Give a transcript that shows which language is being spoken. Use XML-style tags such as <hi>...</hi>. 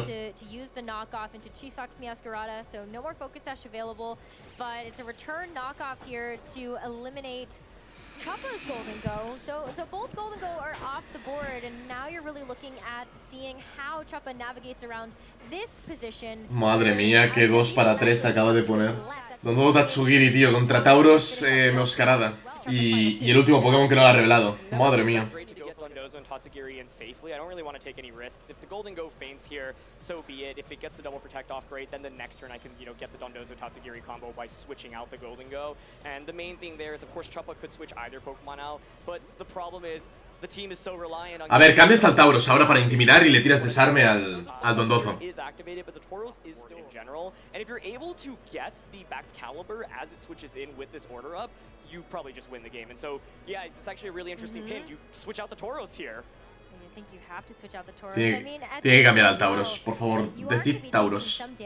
<en>To use the knockoff into Chisok's Meowscarada, so no more focus sash available, but it's a return knockoff here to eliminate Chopper's Golden Go, so both Golden Go are off the board, and now you're really looking at seeing how Chopper navigates around this position.</en> <es>Madre mía, qué dos para tres acaba de poner. Don Dodo Tatsugiri, tío, contra Tauros, Meowscarada. Y el último Pokémon que no lo ha revelado. Madre mía.</es> <en>Tatsugiri in safely. I don't really want to take any risks. If the Golden Go faints here, so be it. If it gets the double protect off, great. Then the next turn I can, you know, get the Dundozo Tatsugiri combo by switching out the Golden Go. And the main thing there is, of course, Chupa could switch either Pokemon out, but the problem is the team is so reliant on...</en> <es>A ver, cambias al Tauros ahora para intimidar y le tiras desarme al Dundozo.</es> <en>...is activated, but the Tauros is still in general. And if you're able to get the Bax Caliber as it switches in with this order up, you probably just win the game. And so, yeah, it's actually a really interesting pinch. You switch out the Tauros here. I think you have to switch out the Tauros.</en> <es>Tiene,</es> <en>I mean,</en> <es>tiene que cambiar al Tauros, por favor, decir Tauros.</es>